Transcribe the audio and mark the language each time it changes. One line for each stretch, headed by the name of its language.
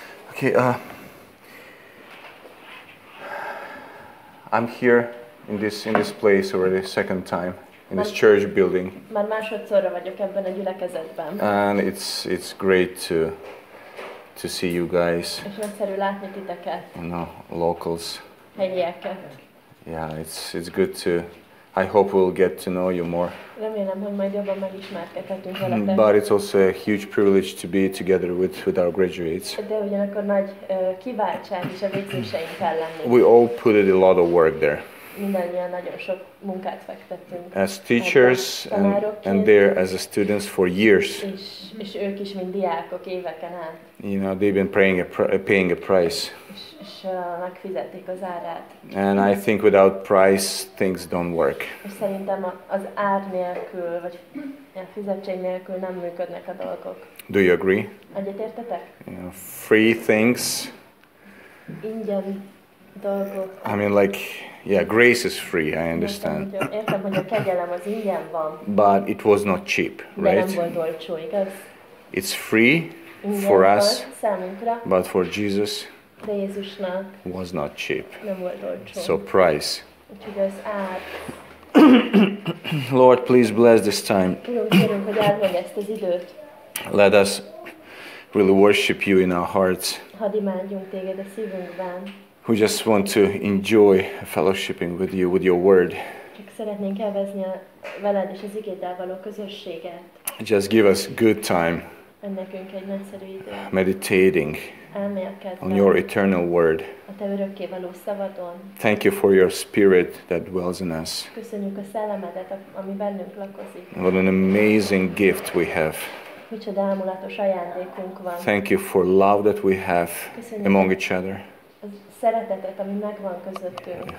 English: Okay, I'm here in this place already second time. In this church building.
Hungarian: Már másodszorra vagyok ebben a gyülekezetben.
English: And it's great to see you guys.
Hungarian: És nagyszerű látni titeket.
English: No, locals.
Hungarian: Helyieket.
English: Yeah, it's good to. I hope we'll get to know you more.
Hungarian: Remélem, hogy majd jobban megismerkedhetünk veletek.
English: But it's also a huge privilege to be together with our graduates.
Hungarian: De ugyanakkor nagy kiváltság is a végzőseinkkel lenni.
English: We all put in a lot of work there.
Hungarian: Mindannyian nagyon sok munkát fektettünk.
English: As teachers and there as a students for years.
Hungarian: És ők is mind diákok éveken át.
English: You know, they've been paying a price.
Hungarian: És megfizették az árát.
English: And I think without price things don't work.
Hungarian: És szerintem az ár nélkül, vagy a fizetség nélkül nem működnek a dolgok.
English: Do you agree?
Hungarian: Egyetértetek?
English: You know, free things.
Hungarian: Ingyen dolgok.
English: I mean, like, yeah, grace is free, I understand.
Hungarian: Értem, hogy a kegyelem az ingyen van.
English: But it was not cheap, right?
Hungarian: De nem volt olcsó, igaz?
English: It's free
Hungarian: ingyen
English: for
Hungarian: volt
English: us,
Hungarian: számunkra.
English: But for Jesus,
Hungarian: de Jézusnak
English: was not cheap.
Hungarian: Nem volt olcsó.
English: So price.
Hungarian: Úgyhogy az ár.
English: Lord, please bless this time.
Hungarian: Kérünk, hogy áldja ezt az időt.
English: Let us really worship you in our hearts.
Hungarian: Hadd imádjunk téged a szívünkben.
English: who just want to enjoy fellowshipping with you, with your word.
Hungarian: Szeretnénk élvezni a veled és az igéddel való közösséget.
English: Just give us good time.
Hungarian: Nekünk egy nagyszerű idő.
English: Meditating.
Hungarian: Elmélkedve.
English: On your eternal word.
Hungarian: A te örökké való szavadon.
English: Thank you for your spirit that dwells in us.
Hungarian: Köszönjük a szellemedet, ami bennünk lakozik.
English: What an amazing gift we have.
Hungarian: Micsoda ámulatos ajándékunk van.
English: Thank you for love that we have.
Hungarian: Köszönjük
English: among each other.
Hungarian: A szeretetet, ami megvan közöttünk.